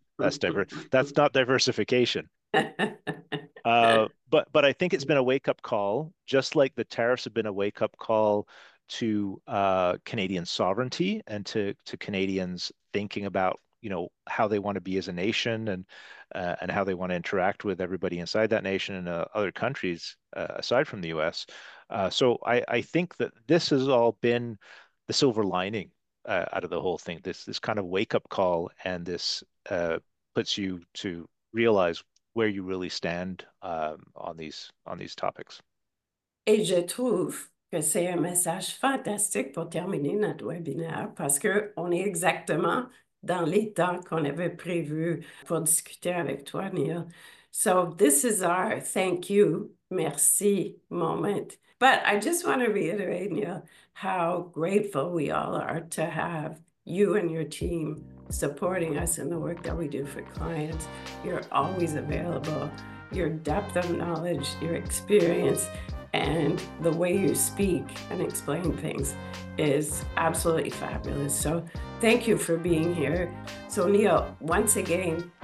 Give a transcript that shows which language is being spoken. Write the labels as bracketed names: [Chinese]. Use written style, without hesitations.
[English] That's not diversification. But I think it's been a wake-up call, just like the tariffs have been a wake-up call to Canadian sovereignty and to Canadians thinking about, how they want to be as a nation and how they want to interact with everybody inside that nation and other countries aside from the US. So I think that this has all been the silver lining out of the whole thing. This kind of wake up call, and this puts you to realize where you really stand on these topics. [French] Et je trouve que c'est un message fantastique pour terminer notre webinaire parce qu'on est exactement dans les temps qu'on avait prévu pour discuter avec toi, Neil. [English] So this is our thank you, merci moment. But I just want to reiterate, Neil, how grateful we all are to have you and your team supporting us in the work that we do for clients. You're always available. Your depth of knowledge, your experience, and the way you speak and explain things is absolutely fabulous. So, thank you for being here. So, Neil, once again,